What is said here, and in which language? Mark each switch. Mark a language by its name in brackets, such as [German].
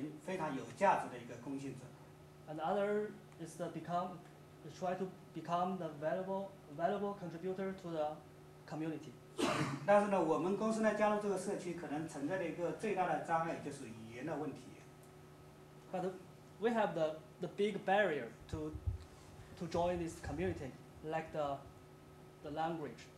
[Chinese] 那么另一个呢，就是我们希望我们公司能够成为这个社区里边非常有价值的一个贡献者。And [English] the other is to try to become the valuable contributor to the community. [Chinese] 但是呢，我们公司呢加入这个社区可能存在的一个最大的障碍就是语言的问题。But [English] we have the big barrier to join this community, like the language.